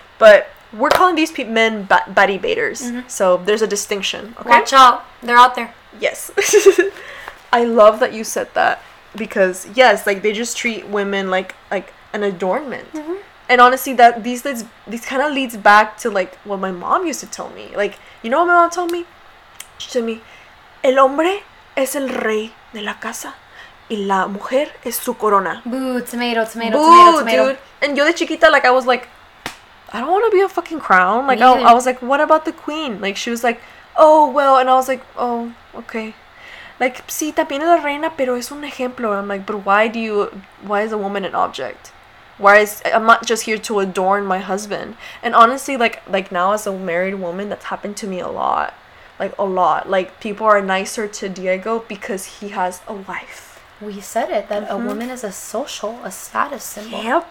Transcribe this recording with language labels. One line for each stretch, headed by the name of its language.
English: But we're calling these men baddie baiters. Mm-hmm. So there's a distinction. Okay? Watch out. They're out there. Yes. I love that you said that. Because, yes, like, they just treat women like an adornment. Mm-hmm. And honestly, that these kind of leads back to, like, what my mom used to tell me. Like, you know what my mom told me? She told me,
Spanish: "El hombre es el rey de la casa y la mujer es su corona."
English: Boo, tomato, tomato, boo, tomato, tomato. Dude. And
Spanish: yo de chiquita,
English: like, I was like, I don't want to be a fucking crown. Like, I was like, what about the queen? Like, she was like, "Oh, well." And I was like, "Oh, okay." Like,
Spanish: sí, también es la reina, pero es un ejemplo.
English: I'm like, but why is a woman an object? Why is, I'm not just here to adorn my husband. And honestly, like now as a married woman, that's happened to me a lot. Like, people are nicer to Diego because he has a wife. We said it, that mm-hmm. a woman is a status symbol.